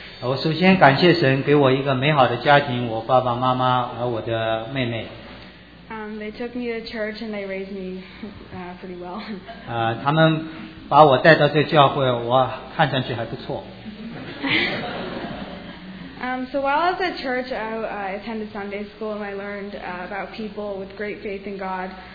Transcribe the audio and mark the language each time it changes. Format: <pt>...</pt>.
<zh>我首先感谢神给我一个美好的家庭，我爸爸妈妈和我的妹妹。</zh> <en>They took me to church and they raised me pretty well.</en> <zh>他们把我带到这教会，我看上去还不错。</zh> <en>So while I was at church, I attended Sunday school and I learned about people with great faith in God.</en>